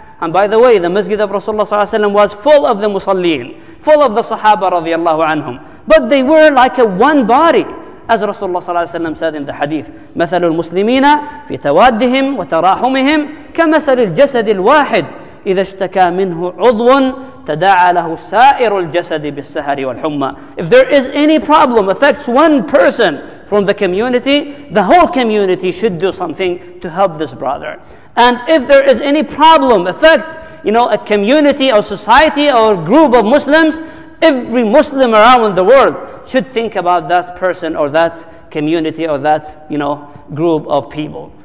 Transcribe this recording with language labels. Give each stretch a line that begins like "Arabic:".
English: And by the way, the masjid of Rasulullah sallallahu alayhi wa sallam was full of the musalleen, full of the sahaba radiallahu anhum. But they were like a one body. As Rasulullah sallallahu alayhi wa sallam said in the hadith,
Arabic: مَثَلُ الْمُسْلِمِينَ فِي تَوَادِّهِمْ وَتَرَاحُمِهِمْ كَمَثَلِ الْجَسَدِ الْوَاحِدِ إذا اشتكى منه عضو تداعى له سائر الجسد بالسهر والحمى.
English: If there is any problem affects one person from the community, the whole community should do something to help this brother. And if there is any problem affects, you know, a community or society or group of Muslims, every Muslim around the world should think about that person or that community or that, you know, group of people.